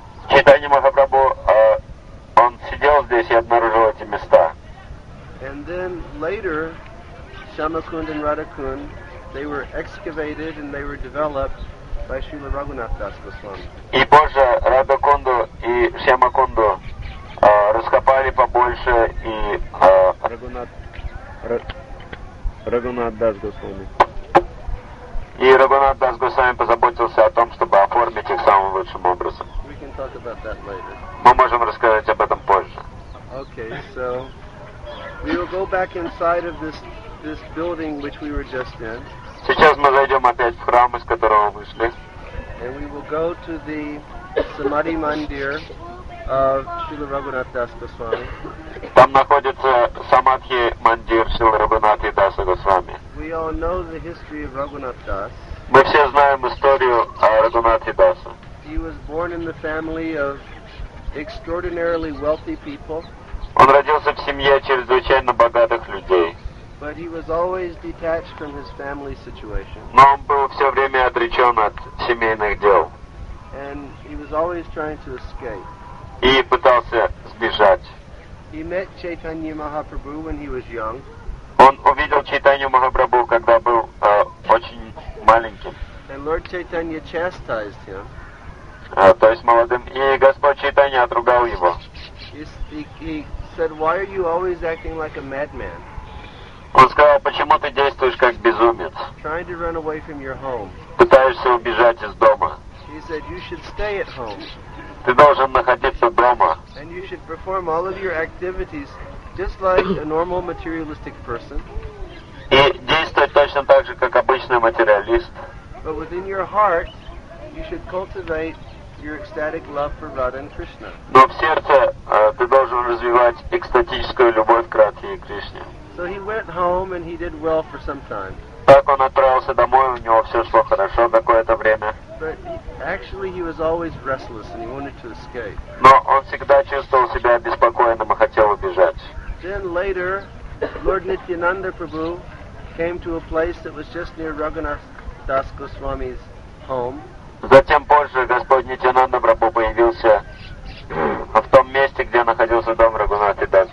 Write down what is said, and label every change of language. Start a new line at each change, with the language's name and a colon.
Russian: Чайтанья Махапрабху, он сидел здесь и обнаружил эти места.
English: And then later, Shyama Kunda and Radha Kunda, they were excavated and they were developed by Srila Raghunath Das Goswami.
Russian: И позже Радха Кунду и Шьяма Кунду раскопали побольше и Раганат Дас Госвами. И Раганат Дас Госвами позаботился о том, чтобы оформить их самым лучшим образом.
English: We can talk about that later.
Russian: Мы можем рассказать об этом позже.
English: Okay, so we will go back inside of this building which we were just in.
Russian: Сейчас мы зайдем опять в храм, из которого вышли.
English: And we will go to the Samadhi Mandir of Srila Raghunath Das Goswami.
Russian: Там находится Самадхи Мандир Шрилы Рагхунатха Даса Госвами.
English: We all know the history of Raghunath Das.
Russian: Мы все знаем историю Рагхунатхи Даса.
English: He was born in the family of extraordinarily wealthy people.
Russian: Он родился в семье чрезвычайно богатых людей.
English: But he was always detached from his family situation.
Russian: Но он был все время отречен от семейных дел.
English: And he was always trying to escape.
Russian: И пытался сбежать.
English: He met Chaitanya Mahaprabhu when he was young.
Russian: Он увидел Чайтанью Махапрабху, когда был очень маленьким.
English: And Lord Chaitanya chastised him.
Russian: То есть молодым. И Господь Чайтанья отругал его.
English: He said, "Why are you always acting like a madman?"
Russian: Он сказал, почему ты действуешь как безумец?
English: Trying to run away from your home.
Russian: Пытаешься убежать из дома.
English: He said, you should stay at home.
Russian: Ты должен находиться дома.
English: And you should perform all of your activities just like a normal materialistic person.
Russian: И действовать точно так же, как обычный материалист.
English: But within your heart, you should cultivate your ecstatic love for Radha and Krishna.
Russian: Но в сердце ты должен развивать экстатическую любовь к Радхе и Кришне.
English: So he went home and he did well for some time.
Russian: Так он отправился домой, у него все шло хорошо какое-то время.
English: But actually he was always restless and he wanted to escape.
Russian: Но он всегда чувствовал себя беспокойным и хотел убежать.
English: Then later, Lord Nityananda Prabhu came to a place that was just near Raghunath Das Goswami's home.
Russian: Затем позже Господь Нитянанда Прабху появился в том месте, где находился дом Рагунатхи Дас